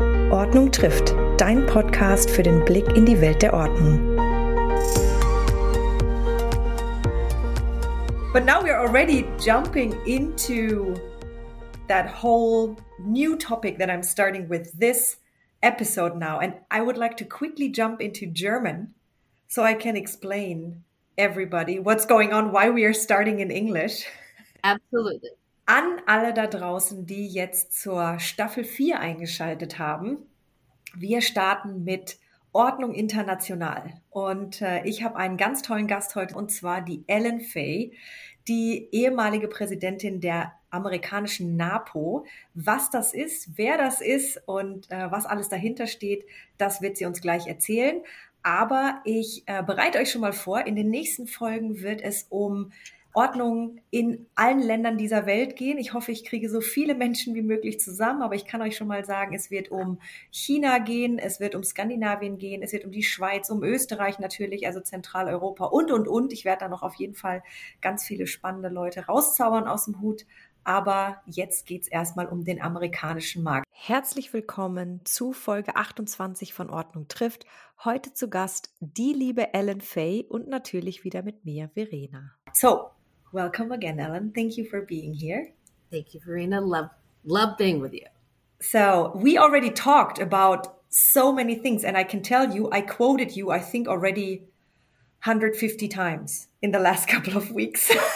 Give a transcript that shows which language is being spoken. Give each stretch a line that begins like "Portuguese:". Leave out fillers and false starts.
German: Ordnung trifft, dein Podcast für den Blick in die Welt der Ordnung.
English: But now we're already jumping into that whole new topic that I'm starting with this episode now. And I would like to quickly jump into German so I can explain everybody what's going on, why we are starting in English. Absolutely.
German: An alle da draußen, die jetzt zur Staffel 4 eingeschaltet haben. Wir starten mit Ordnung International. Und ich habe einen ganz tollen Gast heute, und zwar die Ellen Fay, die ehemalige Präsidentin der amerikanischen NAPO. Was das ist, wer das ist und was alles dahinter steht, das wird sie uns gleich erzählen. Aber ich bereite euch schon mal vor, in den nächsten Folgen wird es um Ordnung in allen Ländern dieser Welt gehen. Ich hoffe, ich kriege so viele Menschen wie möglich zusammen, aber ich kann euch schon mal sagen, es wird um China gehen, es wird um Skandinavien gehen, es wird um die Schweiz, um Österreich natürlich, also Zentraleuropa und, und. Ich werde da noch auf jeden Fall ganz viele spannende Leute rauszaubern aus dem Hut, aber jetzt geht es erstmal um den amerikanischen Markt. Herzlich willkommen zu Folge 28 von Ordnung trifft. Heute zu Gast die liebe Ellen Fay und natürlich wieder mit mir, Verena.
English: So, welcome again, Ellen. Thank you for being here. Thank you, Verena. Love being with you. So, we already talked about so many things, and I can tell you, I quoted you, I think, already 150 times in the last couple of weeks.